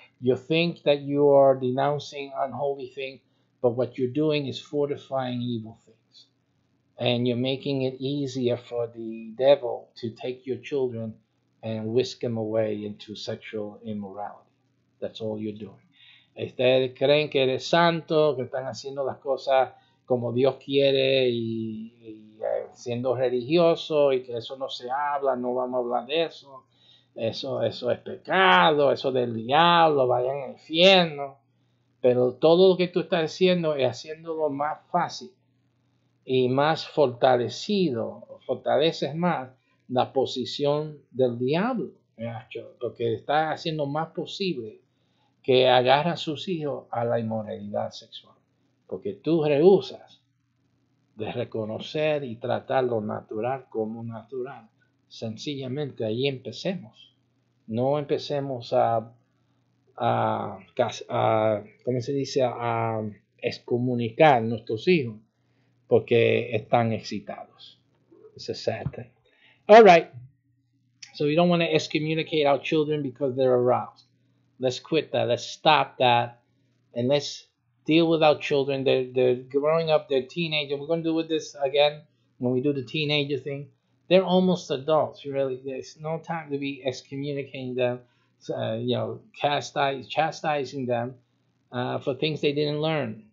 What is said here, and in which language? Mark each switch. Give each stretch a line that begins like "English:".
English: You think that you are denouncing unholy things. But what you're doing is fortifying evil things. And you're making it easier for the devil to take your children and whisk them away into sexual immorality. That's all you're doing.
Spanish: Ustedes creen que eres santo, que están haciendo las cosas como Dios quiere y siendo religioso, y que eso no se habla, no vamos a hablar de eso. Eso es pecado, eso del diablo, vayan al infierno. Pero todo lo que tú estás haciendo es haciéndolo más fácil y más fortalecido. Fortaleces más la posición del diablo, porque está haciendo más posible que agarra a sus hijos a la inmoralidad sexual. Porque tú rehusas de reconocer y tratar lo natural como natural. Sencillamente ahí empecemos. No empecemos a excomunicar a nuestros hijos porque están excitados.
English: It's a sad thing. All right. So we don't want to excommunicate our children because they're aroused. Let's quit that. Let's stop that. And let's deal with our children. They're growing up. They're teenagers. We're going to do with this again when we do the teenager thing. They're almost adults, really. There's no time to be excommunicating them, chastising them for things they didn't learn.